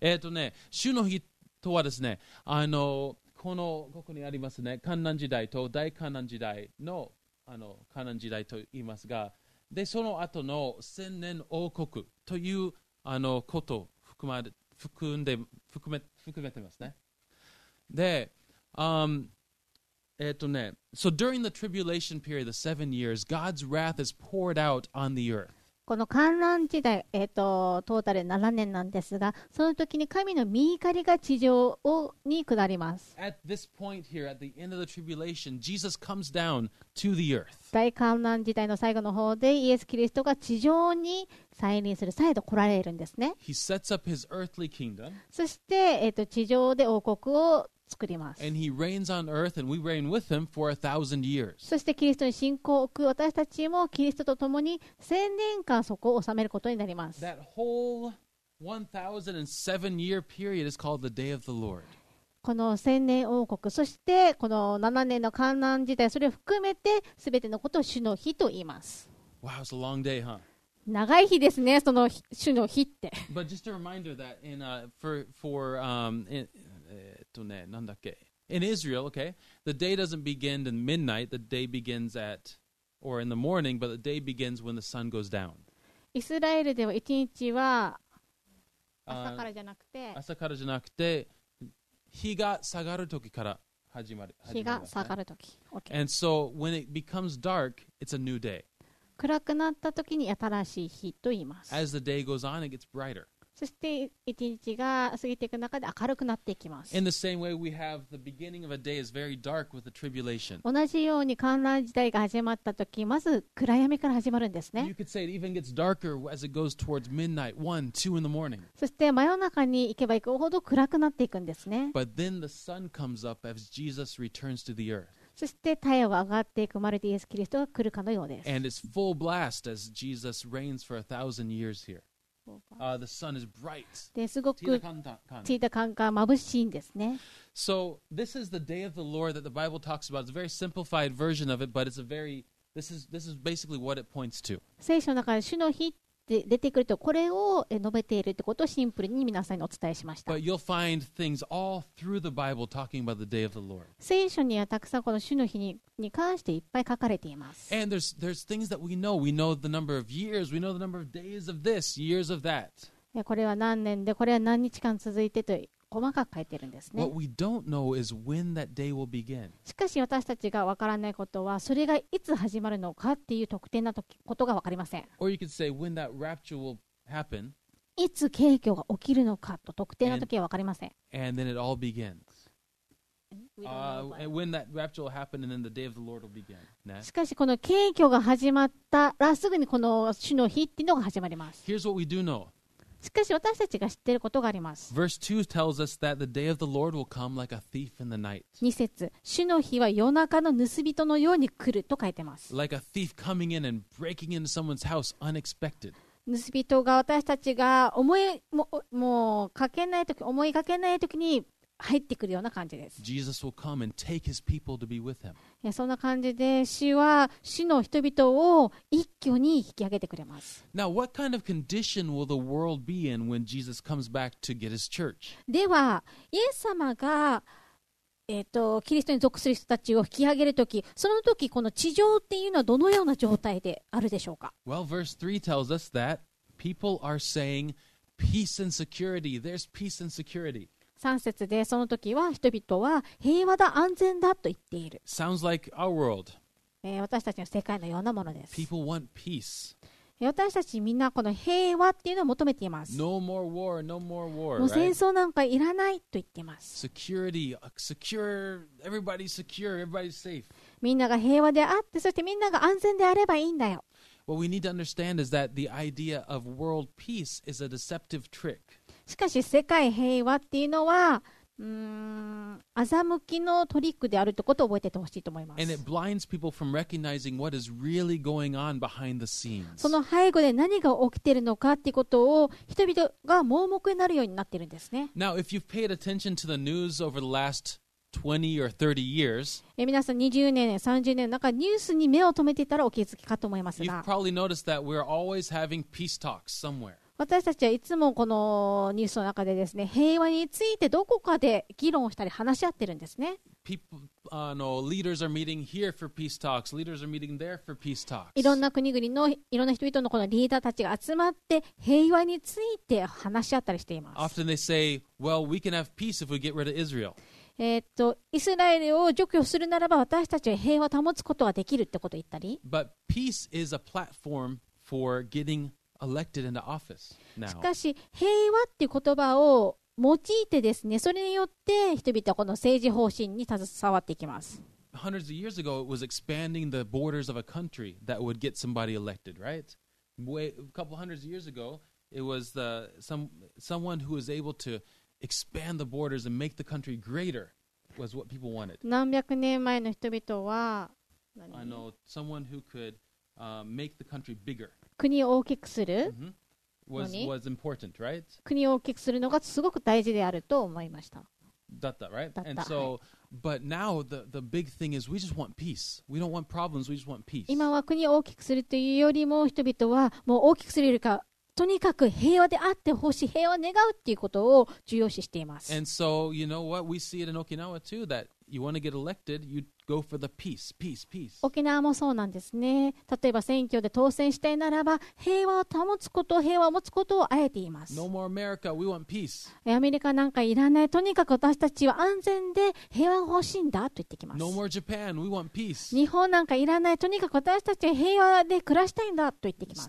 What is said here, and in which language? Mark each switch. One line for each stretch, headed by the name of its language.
Japanese: ね、主の日とはですね、ここにありますね、観難時代と大観難時代の、観難時代と言いますが、で、その後の千年王国という、ことを含まれて、含めてますね。
English: で、So during the tribulation period, the 7 years, God's wrath is poured out on the earth.
Japanese: この観覧時代、トータル7年なんですが、その時に神の御怒りが地上に下ります。大観覧時代の最後の方でイエス・キリストが地上に再臨する、再度来られるんですね。
English: He sets up his earthly kingdom.
Japanese: そして、地上で王国を作ります。
English: And he reigns on earth and we reign with him for 1,000 years.
Japanese: そしてキリストに信仰を置く私たちもキリストと共に千年間そこを治めることになります。
English: That whole 1,007 year period is called the day of the Lord.
Japanese: この千年王国、そしてこの7年の観覧時代、それを含めて全てのことを主の日と言います。
English: Wow, it's a long day, huh?
Japanese: 長い日ですね、その主の日って。
English: But just a reminder that in, for, in,
Japanese: なんだっけ?
English: In Israel, okay, the day doesn't begin at midnight, the day begins at, or in the morning, but the day begins when the sun goes down.
Japanese: イスラエルでは一日は朝からじゃなくて、朝からじゃなくて、日が下がる時から始まる、ね。日が下がる時。Okay.
English: And so when it becomes dark, it's a new day.
Japanese: 暗くなった時に新しい日と言います。
English: As the day goes on, it gets brighter.
Japanese: そして一日が過ぎていく中で明るくなっていきます。
English: In the same way, we have the beginning of a day is very dark with the tribulation.
Japanese: 同じように観覧時代が始まったとき、まず暗闇から始まるんですね。
English: You could say it even gets darker as it goes towards midnight, one, two in the morning.
Japanese: そして真夜中に行けば行くほど暗くなっていくんですね。
English: But then the sun comes up as Jesus returns to the earth.
Japanese: そして太陽が上がっていく、まるでイエス・キリストが来るかのようです。
English: And it's full blast as Jesus reigns for 1,000 years here. The sun is bright.
Japanese: すごくついたカンカン眩しいんですね。
English: So this is the day of the Lord that the Bible talks about. It's a very simplified version of it, but it's a very this is basically what it points to.
Japanese: 聖書の中で主の日って出てくるとこれを述べているってことをシンプルに皆さんにお伝えしました。
English: But you'll find things all through the Bible talking about the day of the Lord.
Japanese: 聖書にはたくさんこの主の日に関していっぱい書かれています。
English: And there's things that we know. We know the number of years. We know the number of days of this, years of that.
Japanese: これは何年で、これは何日間続いてと細かく書いてるんですね。
English: What we don't know is when that day will begin.
Japanese: しかし私たちがわからないことは、それがいつ始まるのかっていう特定なことがわかりません。
English: Or you could say when that rapture will happen.
Japanese: いつ景況が起きるのかと特定な時はわかりません。
English: And then it all begins. When that rapture will happen and then the day of the Lord will begin.、Ne?
Japanese: しかしこの景況が始まったらすぐにこの主の日っていうのが始まります。
English: Here's what we do know.
Japanese: しかし私たちが知っていることがあります。
English: Verse 2 tells us that the day of the Lord will come like a thief in the night.
Japanese: 2節、主の日は夜中の盗人のように来ると書いてます。
English: Like a thief coming in and breaking into someone's house unexpected.
Japanese: 盗人が私たちが思いもうかけないとき、思いかけないときに入ってくるような感じです。
English: Jesus will come and take his people to be with him.
Japanese: そんな感じで主は主の人々を一挙に引き上げてくれます。
English: Now what kind of condition will the world be in when Jesus comes back to get his church?
Japanese: ではイエス様が、キリストに属する人たちを引き上げるとき、そのときこの地上っていうのはどのような状態であるでしょうか。
English: Well verse 3 tells us that people are saying peace and security. There's peace and security.
Japanese: 3節でその時は人々は平和だ安全だと言っている。
English: Sounds like our world.
Japanese: 私たちの世界のようなものです。
English: People want peace.
Japanese: 私たちみんなこの平和っていうのを求めています。
English: No more war, no more war.
Japanese: もう戦争なんかいらないと言っています。
English: Security, secure, everybody's secure, everybody's safe.
Japanese: みんなが平和であって、そしてみんなが安全であればいいんだよ。
English: What we need to understand is that the idea of world peace is a deceptive trick.
Japanese: しかし世界平和っていうのは、欺きのトリックであるということを覚えててほしいと思います。
English: And it blinds people from recognizing what is really going on behind the scenes.
Japanese: その背後で何が起きているのかっていうことを人々が盲目になるようになっているんですね。
English: Now, if you've paid attention to the news over the last 20 or 30 years,
Japanese: 皆さん20年、30年の中、ニュースに目を留めていたらお気づきかと思いますが、
English: You've probably noticed that we're always having peace talks somewhere.
Japanese: 私たちはいつもこのニュースの中でですね、平和についてどこかで議論をしたり話し合ってるんですね。
English: Leaders are meeting here for peace talks. Leaders are meeting there for peace talks.
Japanese: いろんな国々のいろんな人々のこのリーダーたちが集まって平和について話し合ったりしています。
English: Often they say, well, we can have peace if we get rid of Israel.
Japanese: イスラエルを除去するならば私たちは平和を保つことができるってことを言ったり。
English: But peace is a platform for getting elected into office now.
Japanese: しかし平和っていう言葉を用いてですね、それによって人々はこの政治方針に携わっていきます。
English: Hundreds of years ago, it was expanding the borders of a country that would get somebody elected, right? Way, a couple hundreds of years ago, it was the, someone who was able to expand the borders and make the country greater was what people wanted.
Japanese: 何百年前の人々は、
English: I know someone who could make the country bigger.
Japanese: 国を大きくする。
English: Mm-hmm. Was important, right?
Japanese: 国を大きくするのがすごく大事であると思いました。だった、right?
English: And so, but now the big thing is we just want peace. We don't want problems. We just want peace.
Japanese: 今は国を大きくするというよりも人々はもう大きくするよりかとにかく平和であってほしい、平和を願うということを重要視しています。
English: And so, you know what? We see it in Okinawa too that you want to get elected, you go for the peace, peace, peace.
Japanese: 沖縄もそうなんですね。例えば選挙で当選したいならば、平和を保つこと、平和を持つことをあえて言います。
English: No more America, we want peace.
Japanese: アメリカなんかいらない。とにかく私たちは安全で平和が欲しいんだと言ってきます。
English: No more Japan, we want peace.
Japanese: 日本なんかいらない。とにかく私たちは平和で暮らしたいんだと言ってきます。